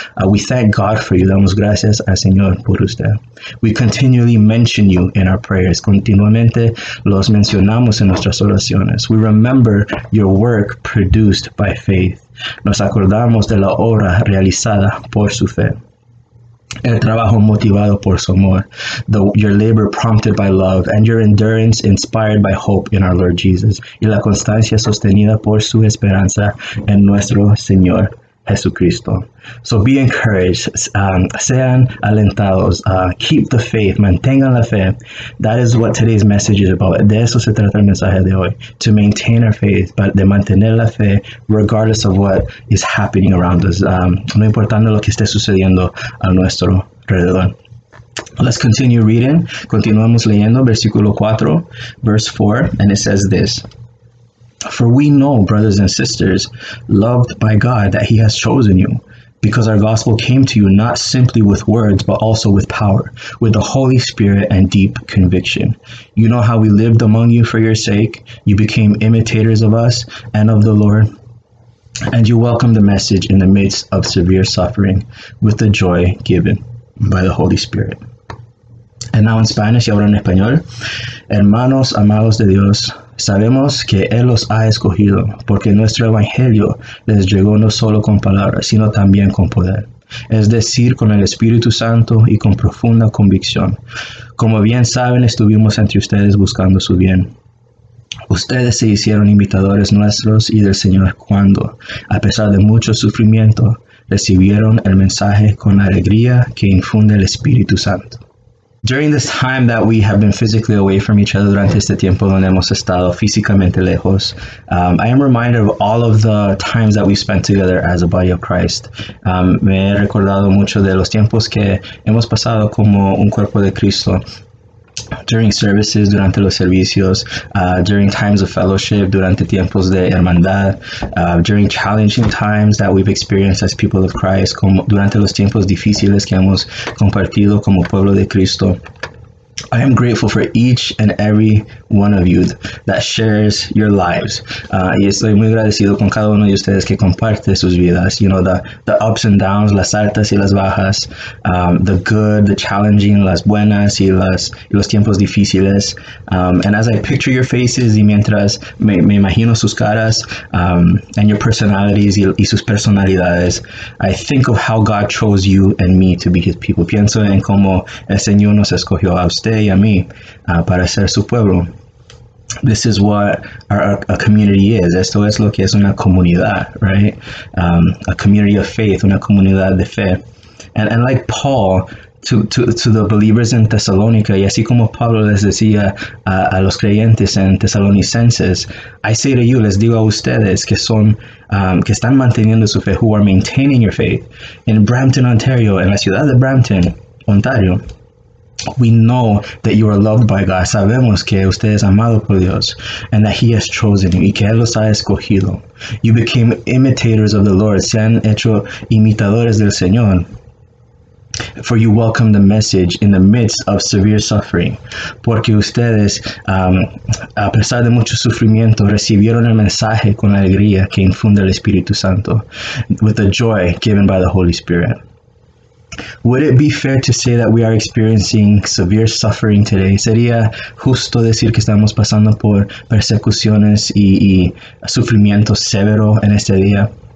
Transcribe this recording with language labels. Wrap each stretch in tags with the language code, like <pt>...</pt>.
<en>We thank God for you,</en> <es>damos gracias al Señor por usted.</es> <en>We continually mention you in our prayers,</en> <es>continuamente los mencionamos en nuestras oraciones.</es> <en>We remember your work produced by faith.</en> <es>Nos acordamos de la obra realizada por su fe. El trabajo motivado por su amor.</es> <en>Your labor prompted by love. And your endurance inspired by hope in our Lord Jesus.</en> <es>Y la constancia sostenida por su esperanza en nuestro Señor Jesucristo.</es> <en>So be encouraged.</en> <es>Sean alentados.</es> <en>Keep the faith.</en> <es>Mantengan la fe.</es> <en>That is what today's message is about.</en> <es>De eso se trata el mensaje de hoy.</es> <en>To maintain our faith.</en> <es>De mantener la fe</es> <en>regardless of what is happening around us.</en> <es>No importando lo que esté sucediendo a nuestro alrededor.</es> <en>Let's continue reading.</en> <es>Continuamos leyendo. Versículo 4,</es> <en>verse 4. And it says this. For we know, brothers and sisters, loved by God, that he has chosen you, because our gospel came to you not simply with words, but also with power, with the Holy Spirit and deep conviction. You know how we lived among you for your sake. You became imitators of us and of the Lord, and you welcomed the message in the midst of severe suffering with the joy given by the Holy Spirit. And now in Spanish,</en> <es>y ahora en español. Hermanos amados de Dios, sabemos que Él los ha escogido, porque nuestro Evangelio les llegó no solo con palabras, sino también con poder. Es decir, con el Espíritu Santo y con profunda convicción. Como bien saben, estuvimos entre ustedes buscando su bien. Ustedes se hicieron imitadores nuestros y del Señor cuando, a pesar de mucho sufrimiento, recibieron el mensaje con alegría que infunde el Espíritu Santo.</es> <en>During this time that we have been physically away from each other,</en> <es>durante este tiempo donde hemos estado físicamente lejos,</es> <en>I am reminded of all of the times that we spent together as a body of Christ.</en> <es>Me he recordado mucho de los tiempos que hemos pasado como un cuerpo de Cristo.</es> <en>During services,</en> <es>durante los servicios,</es> <en>during times of fellowship,</en> <es>durante tiempos de hermandad,</es> <en>during challenging times that we've experienced as people of Christ,</en> <es>durante los tiempos difíciles que hemos compartido como pueblo de Cristo.</es> <en>I am grateful for each and every one of you that shares your lives.</en> <es>Y estoy muy agradecido con cada uno de ustedes que comparte sus vidas.</es> <en>You know, the ups and downs,</en> <es>las altas y las bajas,</es> <en>the good, the challenging,</en> <es>las buenas y los tiempos difíciles.</es> <en>And as I picture your faces</en> <es>y mientras me imagino sus caras</es> <en>and your personalities</en> <es>y sus personalidades,</es> <en>I think of how God chose you and me to be his people.</en> <es>Pienso en cómo el Señor nos escogió a usted y a mí para ser su pueblo.</es> <en>This is what a community is.</en> <es>Esto es lo que es una comunidad,</es> <en>right? A community of faith,</en> <es>una comunidad de fe.</es> <en>And like Paul to the believers in Thessalonica,</en> <es>y así como Pablo les decía a los creyentes en Tesalonicenses,</es> <en>I say to you,</en> <es>les digo a ustedes que son que están manteniendo su fe,</es> <en>who are maintaining your faith in Brampton, Ontario,</en> <es>en la ciudad de Brampton, Ontario.</es> <en>We know that you are loved by God.</en> <es>Sabemos que usted es amado por Dios.</es> <en>And that he has chosen you.</en> <es>Y que él los ha escogido.</es> <en>You became imitators of the Lord.</en> <es>Se han hecho imitadores del Señor.</es> <en>For you welcomed the message in the midst of severe suffering.</en> <es>Porque ustedes, a pesar de mucho sufrimiento, recibieron el mensaje con alegría que infunde el Espíritu Santo.</es> <en>With the joy given by the Holy Spirit. Would it be fair to say that we are experiencing severe suffering today?</en> <es>Sería justo decir que estamos pasando por persecuciones y sufrimiento severo en este día.</es>